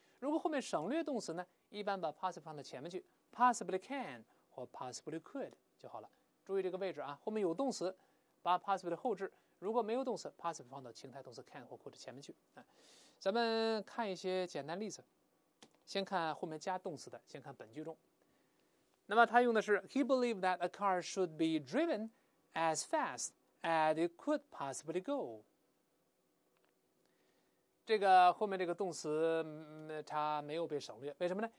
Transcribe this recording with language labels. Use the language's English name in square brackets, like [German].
[Chinese] 如果后面省略动词呢，一般把 possibly 放到前面去， [English] possibly can [Chinese] 或 [English] possibly could [Chinese] 就好了。注意这个位置啊，后面有动词，把 passive 的后置，如果没有动词 passive 放到情态动词 can 或或者前面去。咱们看一些简单例子，先看后面加动词的，先看本句中。那么他用的是 [English] He believed that a car should be driven as fast as it could possibly go。 [Chinese] 这个后面这个动词它没有被省略，为什么呢？